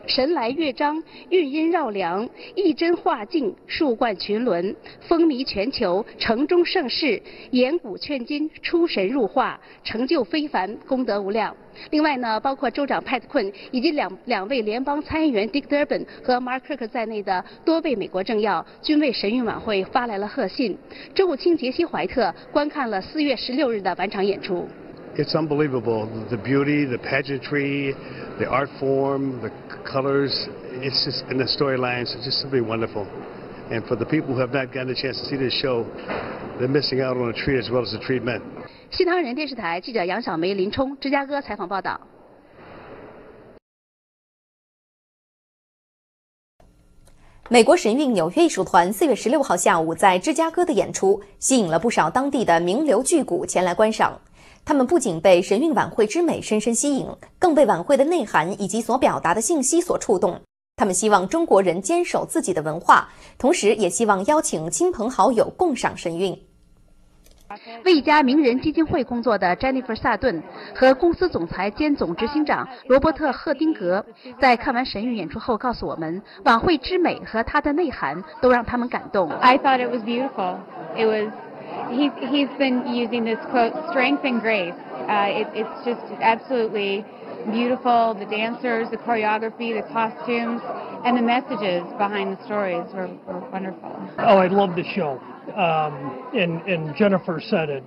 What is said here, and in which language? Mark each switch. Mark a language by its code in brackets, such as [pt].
[zh] 神来乐章，韵音绕梁，一针画境，树冠群伦，风靡全球，城中盛世，演古劝今，出神入化，成就非凡，功德无量。另外呢，包括州长 Pat Quinn 以及两位联邦参议员 Dick Durbin 和 Mark Kirk 在内的多位美国政要均为神韵晚会发来了贺信。州务卿杰西·怀特观看了4月16日的晚场演出。 [en] It's unbelievable, the beauty, the pageantry, the art form, the colors, it's just, and the storylines, it's just simply wonderful. And for the people who have not gotten a chance to see this show, they're missing out on a treat as well as a treatment. [zh] 新唐人电视台记者杨小梅、林冲，芝加哥采访报道。美国神韵纽约艺术团4月16号下午在芝加哥的演出，吸引了不少当地的名流巨贾前来观赏。他们不仅被神韵晚会之美深深吸引，更被晚会的内涵以及所表达的信息所触动。他们希望中国人坚守自己的文化，同时也希望邀请亲朋好友共赏神韵。为一家名人基金会工作的 Jennifer 萨顿和公司总裁兼总执行长罗伯特·赫丁格在看完神韵演出后告诉我们，晚会之美和它的内涵都让他们感动。 [en] I thought it was beautiful. It was... He's been using this quote, strength and grace. It's just absolutely beautiful. The dancers, the choreography, the costumes, and the messages behind the stories were wonderful. Oh, I love the show. And Jennifer said it.